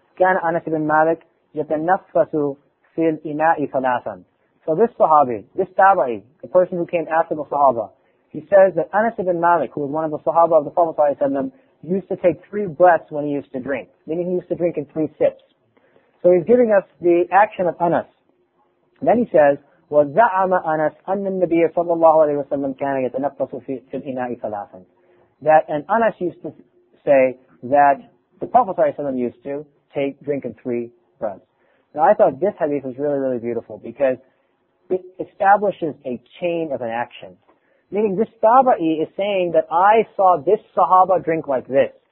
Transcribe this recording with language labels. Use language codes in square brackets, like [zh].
[ar] Kana Anas ibn Malik yatanaffasu fil ina'i thalathan. [en] So this Sahabi, this Tabi, the person who came after the Sahaba, he says that Anas ibn Malik, who was one of the Sahaba of the Prophet, used to take 3 breaths when he used to drink, meaning he used to drink in 3 sips. So he's giving us the action of Anas. [ar] Then he says, وَزَعَمَ أَنَسْ أَنَّ النَّبِيَ صَلَّى اللَّهُ عَلَيْهِ وَسَلَّمْ كَانَ يَتَنَفَّصُ فِي الْإِنَاءِ ثَلَاثًا. [en] That an Anas used to say that the Prophet ﷺ used to drink in 3 breaths. Now I thought this hadith was really, really beautiful because it establishes a chain of an action. Meaning this Taba'i is saying that I saw this Sahaba drink like this.